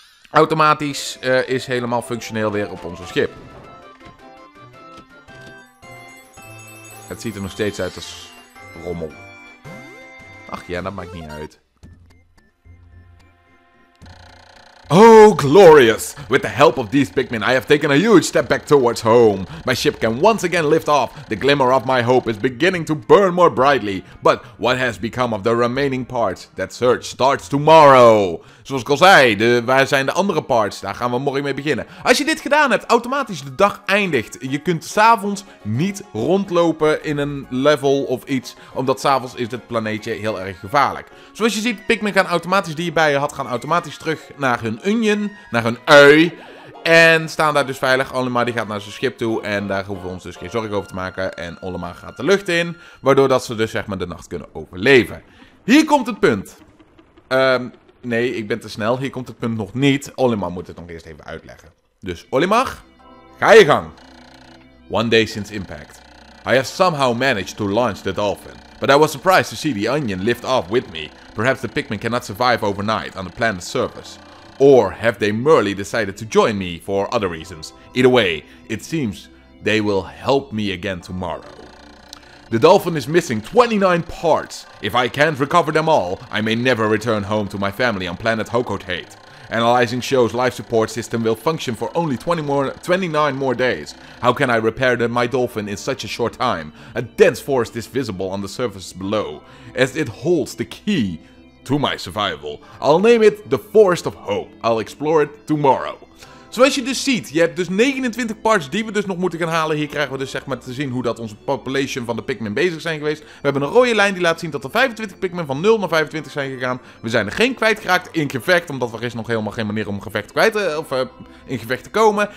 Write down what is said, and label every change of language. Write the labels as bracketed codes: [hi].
[nl] automatisch is helemaal functioneel weer op onze schip. Het ziet er nog steeds uit als rommel. Ach ja, dat maakt niet uit. [en] Oh, glorious! With the help of these Pikmin, I have taken a huge step back towards home. My ship can once again lift off. The glimmer of my hope is beginning to burn more brightly. But what has become of the remaining parts? That search starts tomorrow. [nl] Zoals ik al zei, waar zijn de andere parts? Daar gaan we morgen mee beginnen. Als je dit gedaan hebt, automatisch de dag eindigt. Je kunt 's avonds niet rondlopen in een level of iets. Omdat 's avonds is dit planeetje heel erg gevaarlijk. Zoals je ziet, Pikmin gaan automatisch die je bij je had, gaan automatisch terug naar hun onion, naar hun ui. En staan daar dus veilig. Olimar die gaat naar zijn schip toe. En daar hoeven we ons dus geen zorgen over te maken. En Olimar gaat de lucht in. Waardoor dat ze dus zeg maar de nacht kunnen overleven. Hier komt het punt. Nee, ik ben te snel. Hier komt het punt nog niet. Olimar moet het nog eerst even uitleggen. Dus Olimar, ga je gang. [en] One day since impact. I have somehow managed to launch the dolphin. But I was surprised to see the onion lift off with me. Perhaps the Pikmin cannot survive overnight on the planet's surface. Or have they merely decided to join me for other reasons? Either way, it seems they will help me again tomorrow. The dolphin is missing 29 parts. If I can't recover them all, I may never return home to my family on planet Hokotate. Analyzing shows life support system will function for only 29 more days. How can I repair my dolphin in such a short time? A dense forest is visible on the surface below, as it holds the key to my survival. I'll name it the Forest of Hope. I'll explore it tomorrow. [nl] Zoals je dus ziet, je hebt dus 29 parts die we dus nog moeten gaan halen. Hier krijgen we dus zeg maar te zien hoe dat onze population van de Pikmin bezig zijn geweest. We hebben een rode lijn die laat zien dat er 25 Pikmin van 0 naar 25 zijn gegaan. We zijn er geen kwijtgeraakt in gevecht, omdat er is nog helemaal geen manier om gevecht kwijt te, of in gevecht te komen.